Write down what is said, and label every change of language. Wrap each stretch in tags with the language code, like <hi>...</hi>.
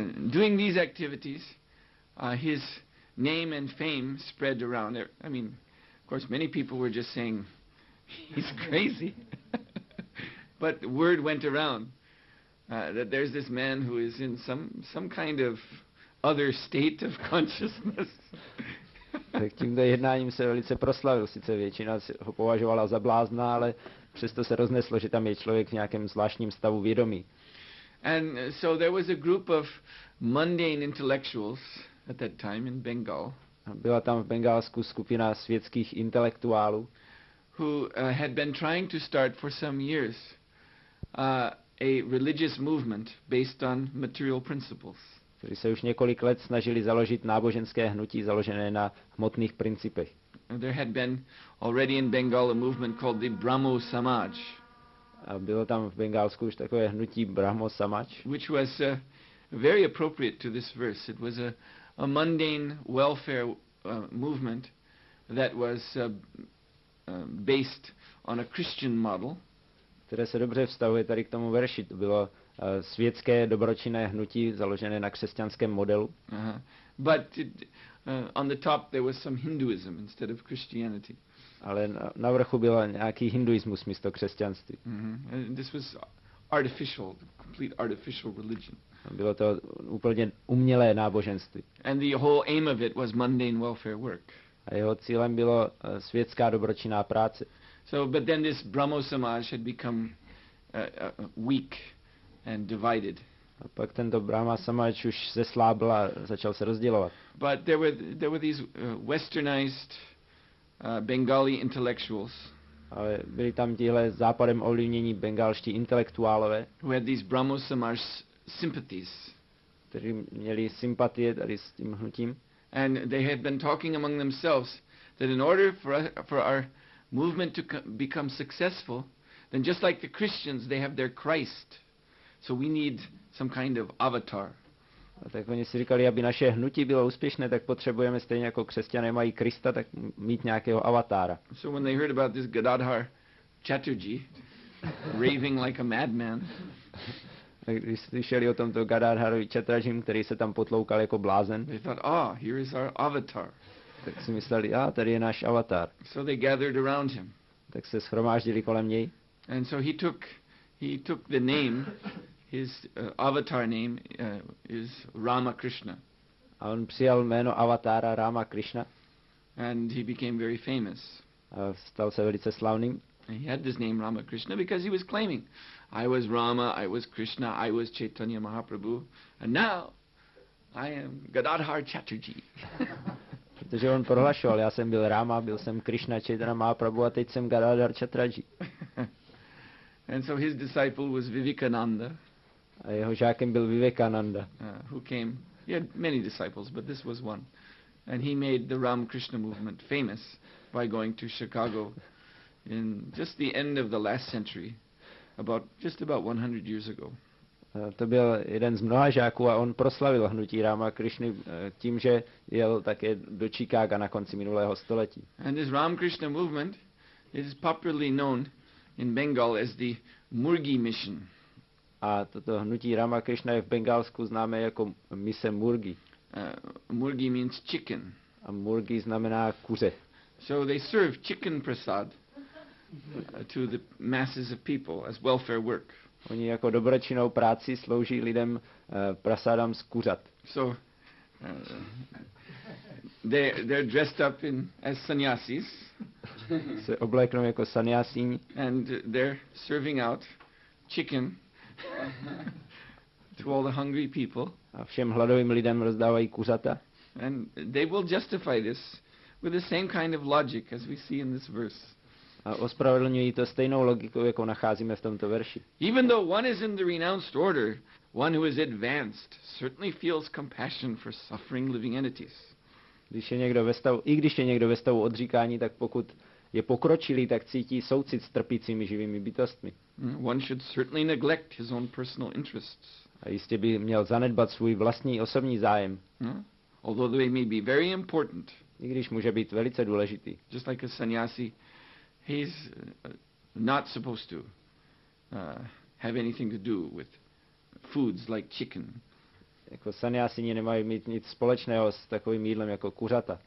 <en>Doing these activities, his name and fame spread around. I mean, of course, many people were just saying, he's crazy. But word went around that there's this man who is in some kind of other state of consciousness.</en> <cs>Tak tímto jednáním se velice proslavil, sice většina ho považovala za blázna, ale přesto se rozneslo, že tam je člověk v nějakém zvláštním stavu vědomí.</cs> <en>And so there was a group of mundane intellectuals at that time in Bengal.</en> <cs>Byla tam v Bengálsku skupina světských intelektuálů,</cs> <en>who had been trying to start for some years a religious movement based on material principles.</en> <cs>Kteří se už několik let snažili založit náboženské hnutí založené na hmotných principech.</cs> <en>There had been already in Bengal a movement called the Brahmo Samaj.</en> <cs>A bylo tam v Bengálsku už takové hnutí Brahmo Samaj.</cs> <en>Which was very appropriate to this verse. It was a mundane welfare movement that was based on a Christian model.</en> <cs>Které se dobře vztahuje tady k tomu verši. To bylo světské dobročinné hnutí založené na křesťanském modelu.</cs> <en>But on the top there was some Hinduism instead of Christianity.</en> <cs>Ale na vrchu byl nějaký hinduismus místo křesťanství.</cs> <en>This was artificial, complete artificial religion.</en> <cs>Bylo to úplně umělé náboženství.</cs> <en>And the whole aim of it was mundane welfare work.</en> <cs>A jeho cílem bylo světská dobročinná práce.</cs> <en>So but then this Brahmo Samaj had become weak and divided.</en> <cs>A pak tento Brahma Samaj už zeslábl a začal se rozdělovat.</cs> <en>But there were these westernized Bengali intellectuals.</en> <cs>Ale byli tam tihle západem ovlivnění bengalští intelektuálové.</cs> <en>Who had these Brahmo Samaj sympathies.</en> <cs>Kteří měli sympatie tady s tím hnutím.</cs> <en>And they had been talking among themselves that in order for our movement to become successful, then just like the Christians, they have their Christ. So we need some kind of avatar.</en> <cs>A tak oni si říkali, aby naše hnutí bylo úspěšné, tak potřebujeme stejně jako křesťané mají Krista, tak mít nějakého avatára.</cs> <en>So when they heard about this Gadadhar Chatterjee raving like a madman.</en> <cs>Tak když slyšeli o tomto Gadadharovi Chatterjeem, který se tam potloukal jako blázen.</cs> <en>They thought, ah, here is our avatar.</en> <cs>Tak si mysleli, ah, tady je náš avatar.</cs> <en>So they gathered around him.</en> <cs>Tak se shromáždili kolem něj.</cs> <en>And so he took the name, his avatar name is Ramakrishna.</en> <cs>A on přijal jméno avatára Ramakrishna.</cs> <en>And he became very famous.</en> <cs>A stal se velice slavným.</cs> <en>He had this name Ramakrishna because he was claiming, I was Rama, I was Krishna, I was Chaitanya Mahaprabhu, and now I am Gadadhar Chatterjee.</en> <cs>Protože on prohlašoval, já jsem byl Rama, byl jsem Krishna, Chaitanya Mahaprabhu, a teď jsem Gadadhar Chatterjee.</cs> <en>And so his disciple was Vivekananda.</en> <cs>A jeho žákem byl Vivekananda.</cs> <en>Who came? He had many disciples, but this was one. And he made the Ramakrishna movement famous by going to Chicago in just the end of the last century, about 100 years ago.</en> <cs>To byl jeden z mnoha žáků a on proslavil hnutí Ramakrishny tím, že jel také do Chicaga na konci minulého století.</cs> <en>And this Ramakrishna movement is popularly known in Bengal as the Murgi Mission.</en> <cs>A toto hnutí Ramakrishna je v Bengálsku známé jako mise Murgi.</cs> <en>Murgi means chicken.</en> <cs>A Murgi znamená kuře.</cs> <en>So they serve chicken prasad to the masses of people as welfare work.</en> <cs>Oni jako dobročinnou práci slouží lidem prasadam z kuřat.</cs> <en>So they're dressed up in as sannyasis.</en> <cs>Se obléknou jako sannyasíni.</cs> <en>And they're serving out chicken to all the hungry people.</en> <cs>A všem hladovým lidem rozdávají kuřata.</cs> <en>And they will justify this with the same kind of logic as we see in this verse.</en> <cs>A ospravedlňují to stejnou logikou, jakou nacházíme v tomto verši.</cs> <en>Even though one is in the renounced order, one who is advanced certainly feels compassion for suffering living entities.</en> <cs>Když je někdo ve stavu, i když je někdo ve stavu odříkání, tak pokud je pokročilý, tak cítí soucit s trpícími živými bytostmi.</cs> <en>One should certainly neglect his own personal interests.</en> <cs>A jistě by měl zanedbat svůj vlastní osobní zájem.</cs> <en>Although they may be very important.</en> <cs>I když může být velice důležitý.</cs> <en>Just like a sannyasi, he's not supposed to have anything to do with foods like chicken.</en> <cs>Jako sannyasini nemají mít nic společného s takovým jídlem jako kuřata.</cs>